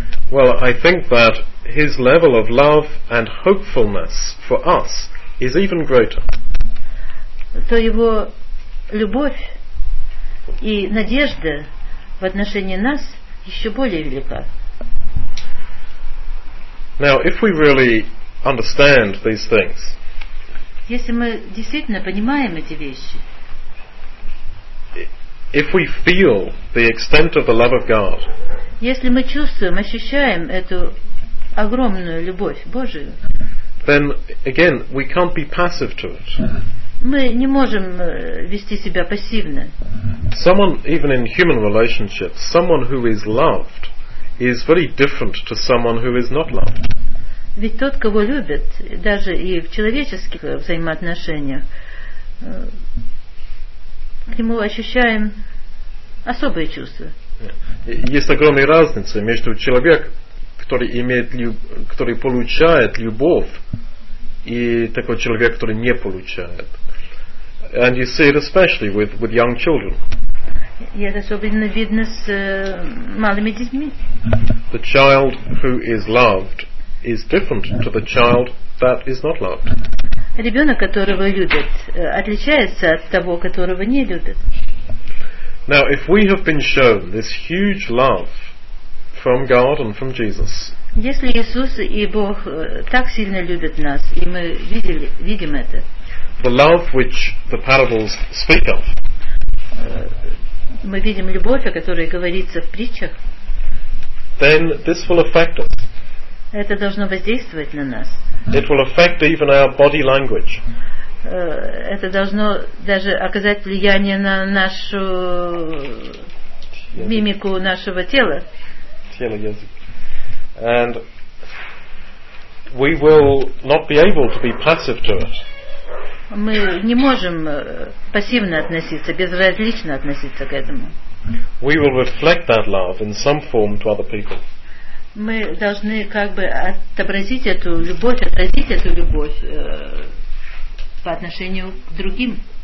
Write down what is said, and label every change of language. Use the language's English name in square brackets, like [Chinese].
[English] Well, I think that his level of love and hopefulness for us is even greater. [Russian] То его любовь и надежда в отношении нас еще более велика. [English] Now, if we really understand these things, [Russian] если мы действительно понимаем эти вещи, [English] if we feel the extent of the love of God, [Russian] если мы чувствуем, ощущаем эту огромную любовь Божию, [English] then again we can't be passive to it. [Russian] Мы не можем вести себя пассивно. [English] Someone, even in human relationships, someone who is loved is very different to someone who is not loved. [Russian] Ведь тот, кого любят, даже и в человеческих взаимоотношениях, к нему ощущаем особые чувства. Есть огромная разница между человеком, который получает любовь, и такой человек, который не получает. [English] And you see it especially with young children. [Russian] И это особенно видно с малыми детьми. [English] The child who is loved is different to the child that is not loved. [Russian] Ребенок, которого любят, отличается от того, которого не любят. [English] Now, if we have been shown this huge love from God and from Jesus. [Russian] Если Иисус и Бог так сильно любят нас, и мы видим это. [English] The love which the parables speak of. [Russian] Мы видим любовь, о которой говорится в притчах. [English] Then this will affect us. [Russian] Это должно воздействовать на нас. [English] It will affect even our body language. [Russian] Это должно даже оказать влияние на нашу мимику нашего тела. [English] And we will not be able to be passive to it. [Russian] Мы не можем пассивно относиться, безразлично относиться к этому. [English] We will reflect that love in some form to other people. [Russian] Мы должны как бы отобразить эту любовь по отношению к другим.